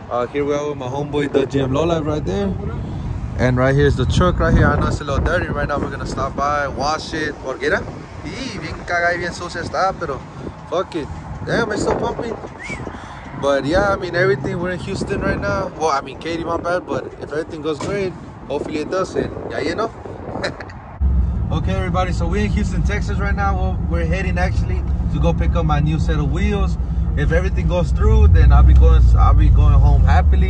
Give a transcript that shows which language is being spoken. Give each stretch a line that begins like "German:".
English: Here we are with my homeboy, the GM Lowlife, right there. And right here is the truck right here. I know it's a little dirty right now. We're going to stop by, wash it.
Spanish: ¿Por qué era? Sí, bien cagada y bien sucia está, pero
English: fuck it. Damn, it's so pumping. But yeah, I mean, everything, we're in Houston right now. Well, I mean, Katy, my bad, but if everything goes great, hopefully it does, and yeah, you know. Okay, everybody, so we're in Houston, Texas right now. We're heading, actually, to go pick up my new set of wheels. If everything goes through, then I'll be going home happily.